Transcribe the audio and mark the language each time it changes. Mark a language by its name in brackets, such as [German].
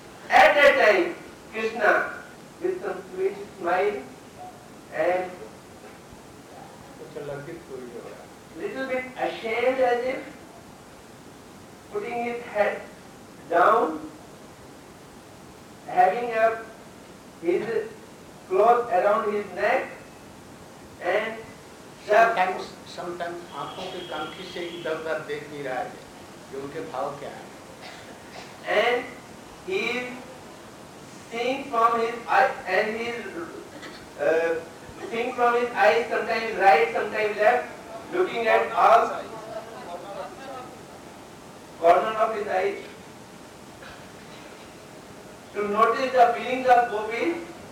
[English] At that time, Krishna, with some sweet smile and little bit ashamed, as if putting his head down, having his cloth around his neck, and [Hindi] sometimes आँखों के कांखी से इधर उधर देख नहीं रहा है कि उनके भाव क्या हैं, [English] and he is seeing from his eye, and he is seeing from his eyes, sometimes right, sometimes left, looking at all corner of his eyes to notice the feelings of gopis.